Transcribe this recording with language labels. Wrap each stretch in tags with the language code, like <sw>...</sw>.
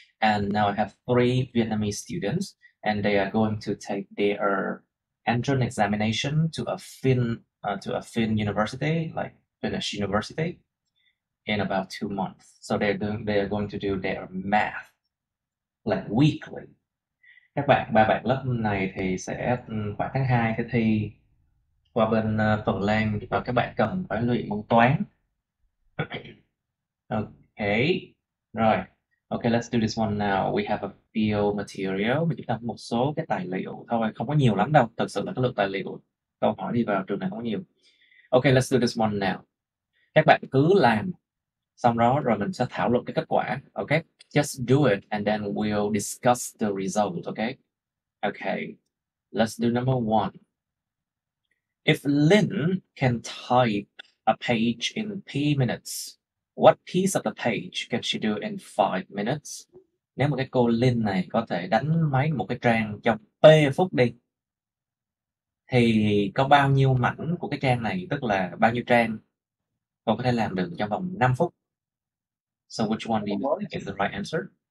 <en>And now I have three Vietnamese students, and they are going to take their entrance examination to a Finn university, like Finnish university, in about 2 months. So they are going to do their math like weekly.</en> <vi>Các bạn ba bạn lớp này thì sẽ khoảng tháng 2 sẽ thi qua bên Phần Lan và các bạn cần phải luyện môn toán.</vi> <en>Okay, rồi. Okay, let's do this one now. We have a few material.</en> <vi>Mình chúng ta có một số cái tài liệu thôi, không có nhiều lắm đâu. Thật sự là cái lượng tài liệu câu hỏi đi vào trường này có nhiều.</vi> <en>Okay, let's do this one now.</en> <vi>Các bạn cứ làm xong đó rồi mình sẽ thảo luận cái kết quả.</vi> <en>Okay, just do it and then we'll discuss the result. Okay. Okay, let's do number one. If Lin can type a page in 3 minutes, what piece of the page can she do in 5 minutes?</en> <vi>Nếu một cái cô Lin này có thể đánh máy một cái trang trong p phút đi, thì có bao nhiêu mảnh của cái trang này, tức là bao nhiêu trang cô có thể làm được trong vòng 5 phút?</vi> <en>So which one do you think is the right answer?</en>